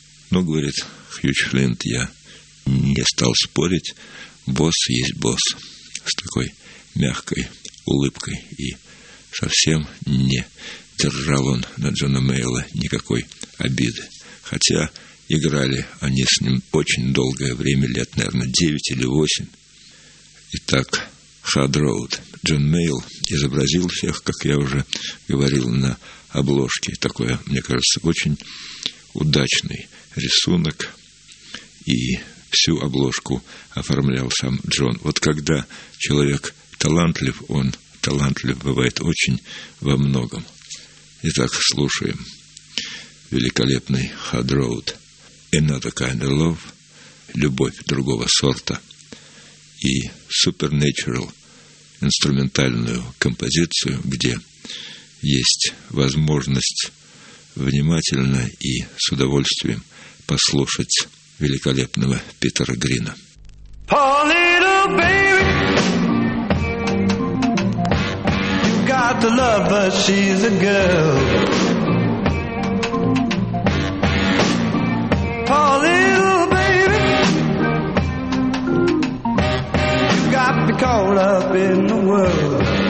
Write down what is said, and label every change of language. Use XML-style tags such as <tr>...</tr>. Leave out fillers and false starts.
<ru>Но, говорит Хьюч Флинт, я не стал спорить, босс есть босс, с такой мягкой улыбкой, и совсем не держал он на Джона Мэйла никакой обиды. Хотя играли они с ним очень долгое время, лет, наверное, 9 или 8. Итак, «Hard Road». Джон Мэйл изобразил всех, как я уже говорил, на обложке. Такое, мне кажется, очень удачный рисунок. И всю обложку оформлял сам Джон. Вот когда человек талантлив, он талантлив бывает очень во многом. Итак, слушаем великолепный «Hard Road». «Another Kind of Love» — «Любовь другого сорта». И «Supernatural» — инструментальную композицию, где есть возможность внимательно и с удовольствием послушать великолепного Питера Грина.</ru> <en>Poor little baby, you got the love, but she's a girl. Poor little baby, you got me caught up in the world.</en>